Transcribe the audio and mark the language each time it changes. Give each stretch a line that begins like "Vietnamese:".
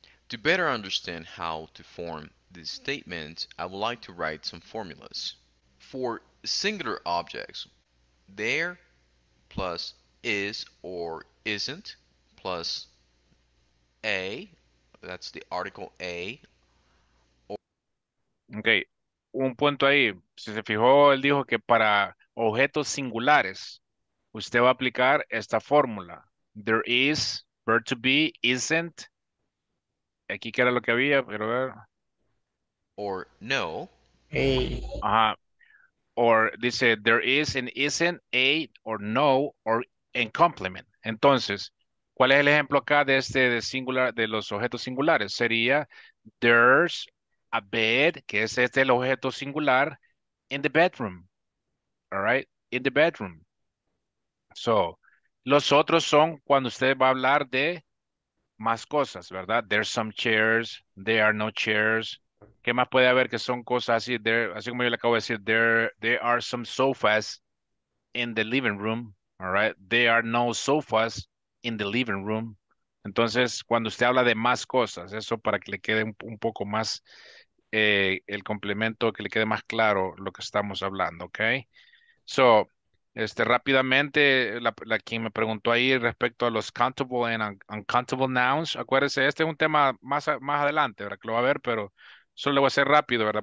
English: To better understand how to form this statement, I would like to write some formulas. For singular objects, there plus is or isn't plus a, that's the article a. Or...
Spanish: Okay, un punto ahí. Si se fijó, él dijo que para objetos singulares, usted va a aplicar esta fórmula.
English: There is, verb to be, isn't.
Spanish: Aquí que era lo que había, pero a ver.
English: Or no. Hey. Ajá. Or dice, there is and isn't, a, or no, or in complement.
Spanish: Entonces, ¿cuál es el ejemplo acá de este de singular, de los objetos singulares?
English: Sería, there's a bed,
Spanish: que es este el objeto singular,
English: in the bedroom. All right, in the bedroom. So,
Spanish: los otros son cuando usted va a hablar de más cosas, ¿verdad?
English: There's some chairs, there are no chairs.
Spanish: ¿Qué más puede haber que son cosas así? There,
English: así como yo le acabo de decir, there are some sofas in the living room. All right, there are no sofas in the living room.
Spanish: Entonces, cuando usted habla de más cosas, eso para que le quede un poco más el complemento, que le quede más claro lo que estamos hablando, ¿ok? So, rápidamente, la quien me preguntó ahí respecto a los
English: countable and uncountable nouns,
Spanish: acuérdense, este es un tema más adelante, ¿verdad? Que lo va a ver, pero solo le voy a hacer rápido, ¿verdad?